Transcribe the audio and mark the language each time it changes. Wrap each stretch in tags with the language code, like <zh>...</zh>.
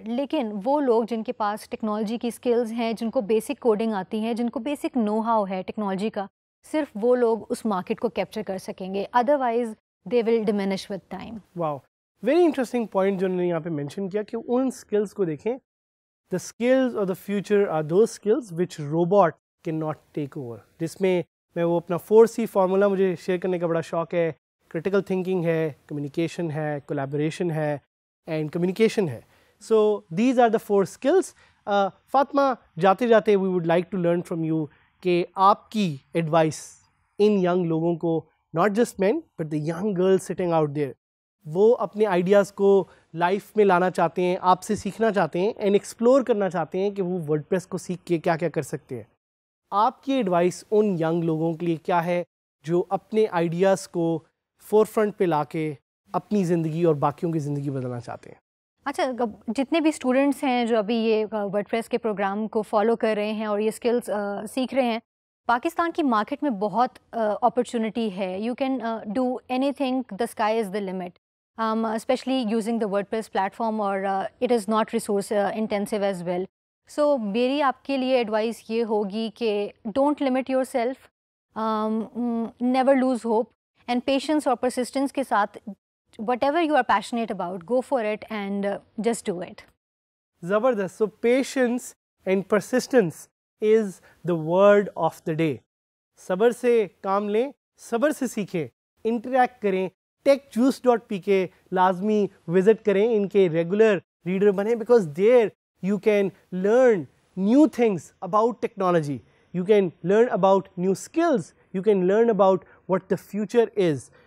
<ur>لیکن وہ لوگ جن کے پاس ٹیکنالوجی کی اسکلز ہیں, جن کو بیسک کوڈنگ آتی ہیں, جن کو بیسک نو ہاؤ ہے ٹیکنالوجی کا, صرف وہ لوگ اس مارکیٹ کو کیپچر کر سکیں گے,</ur> <en>Otherwise they will diminish with time. Wow, very interesting point</en> <ur>جو انہوں نے یہاں پہ مینشن کیا کہ ان اسکلس کو دیکھیں.</ur> <en>the skills of the future are those skills which robot can not take over,</en> <ur>جس میں میں وہ اپنا 4C فارمولا مجھے شیئر کرنے کا بڑا شوق ہے. کرٹیکل تھنکنگ ہے, کمیونیکیشن ہے, کولیبریشن ہے اینڈ کمیونیکیشن ہے.</ur> <en>So these are the 4 skills.</en> <ur>Fatima, جاتے جاتے</ur> <en>we would like to learn from you</en> <ur>کہ آپ کی ایڈوائس ان ینگ لوگوں کو,</ur> <en>not just men but the young girls sitting out there,</en> <ur>وہ اپنے آئیڈیاز کو لائف میں لانا چاہتے ہیں, آپ سے سیکھنا چاہتے ہیں اینڈ ایکسپلور کرنا چاہتے ہیں کہ وہ ورڈ پریس کو سیکھ کے کیا کیا کر سکتے ہیں, آپ کی ایڈوائس ان ینگ لوگوں کے لیے کیا ہے جو اپنے آئیڈیاز کو فور فرنٹ پہ لا کے اپنی زندگی اور باقیوں کی زندگی بدلنا چاہتے ہیں؟ اچھا, جتنے بھی اسٹوڈنٹس ہیں جو ابھی یہ ورڈ پریس کے پروگرام کو فالو کر رہے ہیں اور یہ اسکلس سیکھ رہے ہیں, پاکستان کی مارکیٹ میں بہت اپرچونیٹی ہے.</ur> <en>You can do anything, the sky is the limit, especially using the WordPress platform, اور it is not resource intensive as well.</en> <ur>سو میری آپ کے لیے ایڈوائس یہ ہوگی کہ</ur> <en>don't limit your self, never lose hope, and patience اور persistence</en> <ur>کے ساتھ</ur> <en>Whatever you are passionate about, go for it and just do it.</en> <ur>زبردست.</ur> <en>So patience and persistence is the word of the day.</en> <ur>صبر سے کام لیں, صبر سے سیکھیں, انٹریکٹ کریں, techjuice.pk لازمی وزٹ کریں, ان کے ریگولر ریڈر بنیں,</ur> <en>Because there you can learn new things about technology, you can learn about new skills, you can learn about what the future is.</en>